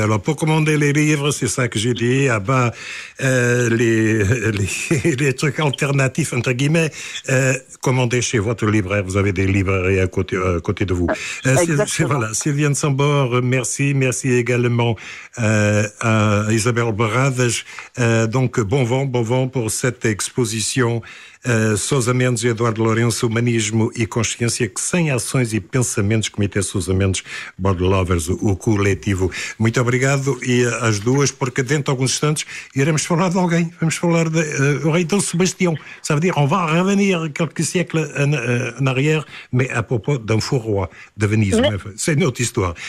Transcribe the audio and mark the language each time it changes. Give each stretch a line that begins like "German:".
French: Alors, pour commander les livres, c'est ça que j'ai dit, à bas les trucs alternatifs, entre guillemets, commandez chez votre libraire. Vous avez des librairies à côté de vous. Sylviane Sambor, merci. Merci également à Isabelle Bravage. Donc, bon vent pour cette exposition.
Portuguese: Sousa Mendes e Eduardo Lourenço, Humanismo e Consciência, que sem ações e pensamentos, Comitê Sousa Mendes, Body Lovers, o coletivo. Muito obrigado, e às duas, porque dentro de alguns instantes iremos falar de alguém. Vamos falar do rei Dom Sebastião. Sabe dizer,
French: on va revenir quelques siècles en arrière, mais à propos d'un fou roi de Venise. Oui. C'est une autre histoire.